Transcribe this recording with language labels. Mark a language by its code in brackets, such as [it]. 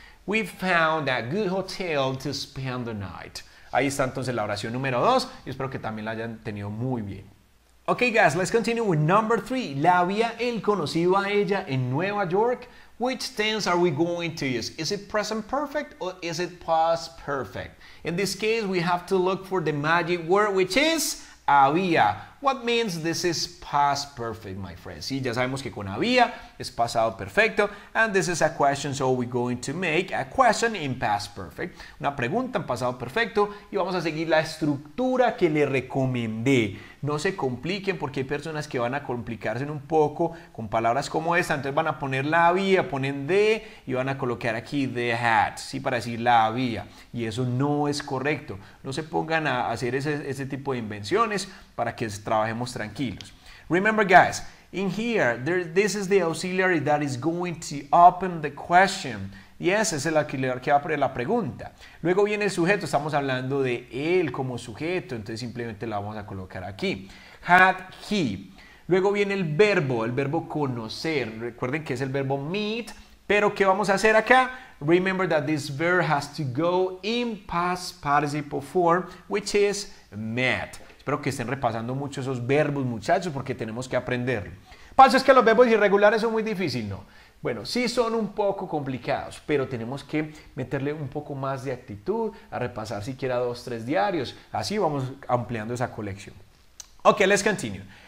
[en] We found a good hotel to spend the night. [es] Ahí está entonces la oración número 2 y espero que también la hayan tenido muy bien. [en] Ok, guys, let's continue with number 3. [es] ¿La había él conocido a ella en Nueva York? [en] Which tense are we going to use? Is it present perfect or is it past perfect? In this case, we have to look for the magic word, which is había. What means this is past perfect, my friends? [es] Sí, ya sabemos que con había es pasado perfecto. [en] And this is a question, so we're going to make a question in past perfect. [es] Una pregunta en pasado perfecto. Y vamos a seguir la estructura que le recomendé. No se compliquen porque hay personas que van a complicarse un poco con palabras como esta. Entonces van a poner la había, ponen de y van a colocar aquí the hat, ¿sí? Para decir la había. Y eso no es correcto. No se pongan a hacer ese tipo de invenciones para que trabajemos tranquilos. [en] Remember, guys, in here, this is the auxiliary that is going to open the question. [es] Yes, es el auxiliar que va a poner la pregunta. Luego viene el sujeto. Estamos hablando de él como sujeto. Entonces, simplemente la vamos a colocar aquí. Had he. Luego viene el verbo conocer. Recuerden que es el verbo meet. Pero, ¿qué vamos a hacer acá? [en] Remember that this verb has to go in past participle form, which is met. [es] Espero que estén repasando mucho esos verbos, muchachos, porque tenemos que aprenderlo. Pasa es que los verbos irregulares son muy difíciles, ¿no? Bueno, sí son un poco complicados, pero tenemos que meterle un poco más de actitud a repasar siquiera 2 o 3 diarios. Así vamos ampliando esa colección. [en] Ok, let's continue.